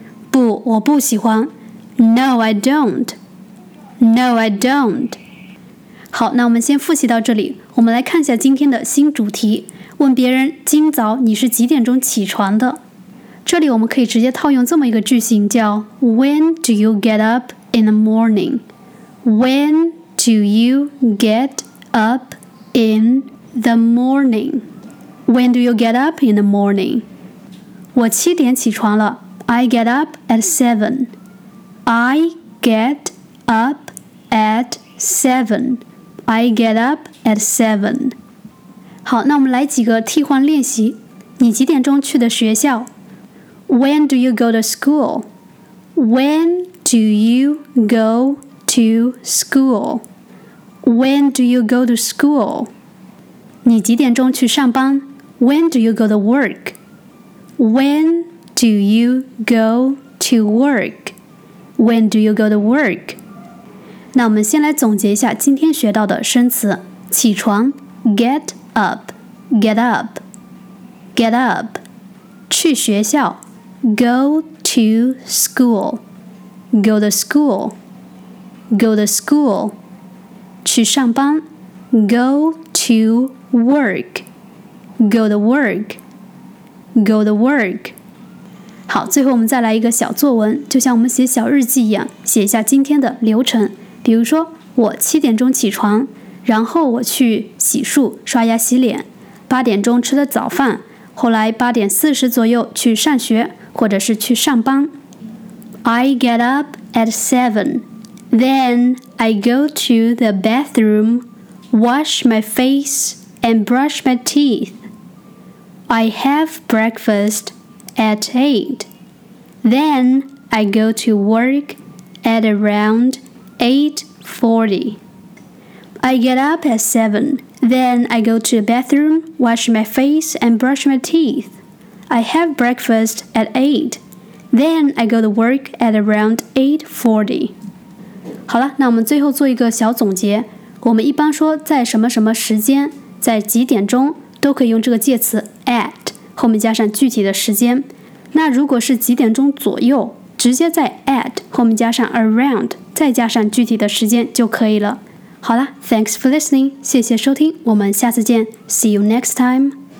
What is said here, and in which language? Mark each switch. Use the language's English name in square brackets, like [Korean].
[Chinese] 不，我不喜欢。 [English] No, I don't. No, I don't. [Chinese] 好，那我们先复习到这里。我们来看一下今天的新主题，问别人今早你是几点钟起床的。这里我们可以直接套用这么一个句型，叫 [English] When do you get up in the morning? When do you get up in the morning? When do you get up in the morning? [Chinese] 我七点起床了。 [English] I get up at seven. I get up at seven. I get up at seven. [Chinese] 好，那我们来几个替换练习。你几点钟去的学校？ [English] When do you go to school? When do you go to school? When do you go to school? [Chinese] 你几点钟去上班？ [English] When do you go to work? When do you go to work? When do you go to work? [Chinese] 那我们先来总结一下今天学到的生词。 [English] 起床 get up, get up, get up. 去学校 go to school, go to school, go to school. 去上班 go to work, go to work. Go to work. [Chinese] 好，最后我们再来一个小作文，就像我们写小日记一样，写一下今天的流程。比如说，我七点钟起床，然后我去洗漱、刷牙、洗脸，八点钟吃的早饭，后来八点四十左右去上学，或者是去上班。 [English] I get up at seven. Then I go to the bathroom, wash my face, and brush my teeth. I have breakfast at 8. Then I go to work at around 8:40. I get up at 7. Then I go to the bathroom, wash my face, and brush my teeth. I have breakfast at 8. Then I go to work at around 8:40. [Chinese] 好了，那我们最后做一个小总结。我们一般说在什么什么时间，在几点钟，都可以用这个介词 at 后面加上具体的时间。那如果是几点钟左右，直接在 at 后面加上 around 再加上具体的时间就可以了。好了， [English] Thanks for listening， [Chinese] 谢谢收听，我们下次见， [English] See you next time.